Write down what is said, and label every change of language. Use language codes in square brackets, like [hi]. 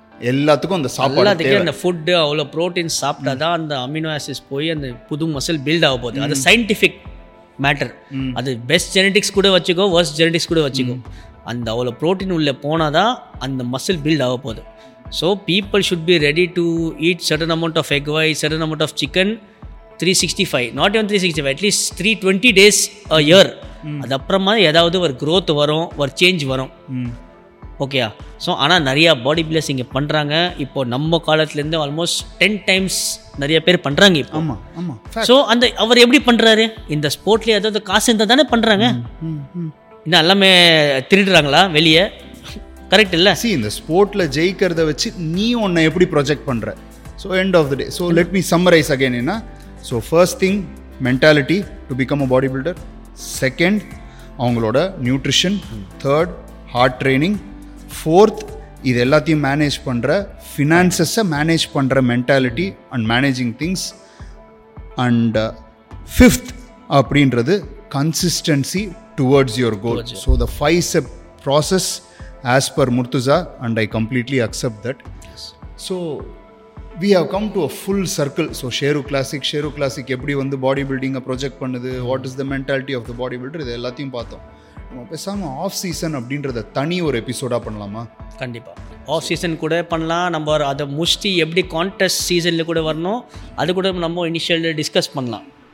[ta] எல்லாத்துக்கும் அந்த சாப்பாடு, அந்த ஃபுட்டு அவ்வளோ ப்ரோட்டீன் சாப்பிட்டா தான் அந்த அமினோ ஆசிட்ஸ் போய் அந்த புது மசில் பில்ட் ஆக போகுது. அது சயின்டிஃபிக் மேட்டர். அது பெஸ்ட் ஜெனட்டிக்ஸ் கூட வச்சுக்கோ, வர்ஸ்ட் ஜெனட்டிக்ஸ் கூட வச்சுக்கோ, அந்த அவ்வளோ ப்ரோட்டீன் உள்ளே போனால் தான் அந்த மசில் பில்ட் ஆக போகுது. [en] So people should be ready to eat certain amount of egg white, certain amount of chicken, 365, not even 365, at least 320 days a year. [ta] அது அப்புறமா ஏதாவது ஒரு க்ரோத் வரும், ஒரு சேஞ்ச் வரும். ஓகேயா? ஸோ ஆனால் நிறையா பாடி பில்டர்ஸ் இங்கே பண்ணுறாங்க. இப்போ நம்ம காலத்துலேருந்து ஆல்மோஸ்ட் 10 times நிறைய பேர் பண்ணுறாங்க இப்போ. ஸோ அந்த அவர் எப்படி பண்ணுறாரு, இந்த ஸ்போர்ட்லேயே ஏதாவது காசு இருந்தால் தானே பண்ணுறாங்க, இன்னும் எல்லாமே திருடுறாங்களா வெளியே? கரெக்ட் இல்லை. சி இந்த ஸ்போர்ட்ல ஜெயிக்கிறத வச்சு நீ உன்னை எப்படி ப்ரொஜெக்ட் பண்ற? [en] So end of the day, so let me summarise again என்ன. So first thing mentality to become a body builder, second அவங்களோட nutrition, third hard training, fourth இது எல்லாத்தையும் manage பண்ற ஃபினான்சஸை manage பண்ற mentality and managing things, and fifth அப்படின்றது consistency towards your goal. Towards you. So the 5-step process as per Murtuza, and I completely accept that. Yes. So we have come to a full circle. [ta] So Sheru Classic, எப்படி வந்து bodybuilding project பண்ணுது, [en] what is the mentality of the body builder, [ta] இது எல்லாத்தையும் பார்த்தோம். நம்ம பேசாமல் of season அப்படின்றத தனி ஒரு எபிசோடாக பண்ணலாமா? கண்டிப்பாக ஆஃப் சீசன் கூட பண்ணலாம். நம்ம அதை முஷ்டி எப்படி கான்டெஸ்ட் சீசனில் கூட வரணும், அது கூட நம்ம இனிஷியல் டிஸ்கஸ் பண்ணலாம்.